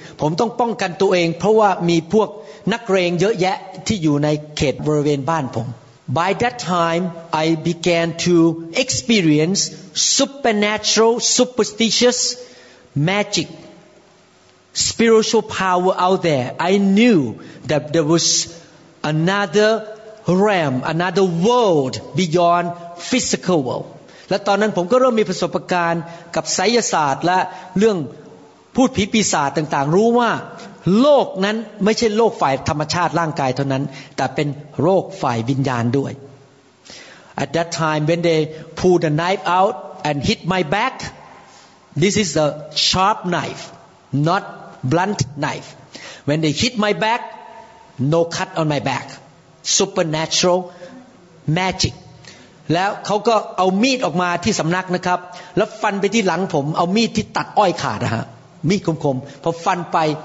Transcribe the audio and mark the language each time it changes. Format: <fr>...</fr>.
<th>ผมต้องป้องกันตัวเองเพราะว่ามีพวกนักเลงเยอะแยะที่อยู่ในเขตบริเวณบ้านผม</th> <en>By that time, I began to experience supernatural, superstitious magic, spiritual power out there. I knew that there was another realm, another world beyond physical world.</en> <th>และตอนนั้นผมก็เริ่มมีประสบการณ์กับไสยศาสตร์และเรื่องพูดผีปีศาจต่างๆรู้ว่าโลกนั้นไม่ใช่โลกฝ่ายธรรมชาติร่างกายเท่านั้นแต่เป็นโรคฝ่ายวิญญาณด้วย</th> <en>At that time when they pulled the knife out and hit my back this is a sharp knife not blunt knife when they hit my back no cut on my back supernatural magic</en> <th>แล้วเขาก็เอามีดออกมาที่สำนักนะครับแล้วฟันไปที่หลังผมเอามีดที่ตัดอ้อยขาดนะฮะมีดคมๆพอฟันไป</th>